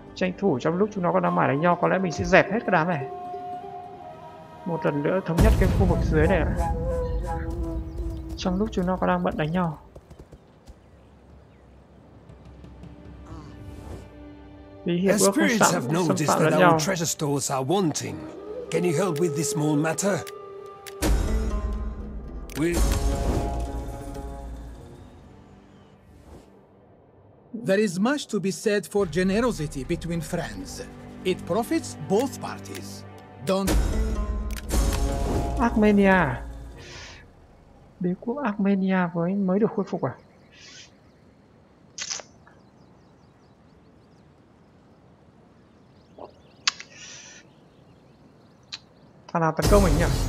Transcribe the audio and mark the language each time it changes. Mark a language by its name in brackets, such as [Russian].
[Vietnamese] Tranh thủ trong lúc chúng nó còn đang mải đánh nhau, có lẽ mình sẽ dẹp hết cái đám này. Một lần nữa thống nhất cái khu vực dưới này. Trong lúc chúng nó còn đang bận đánh nhau. Vì hiệp ước không sẵn, xâm phạm lẫn nhau. [English] Treasure stores are wanting. Can you help with this small matter? There is much to be said for generosity between friends. It profits both parties. Don't. Armenia. [Vietnamese] Đế quốc Armenia với mới được khôi phục à? Ô Thằng nào tấn công mình nhỉ?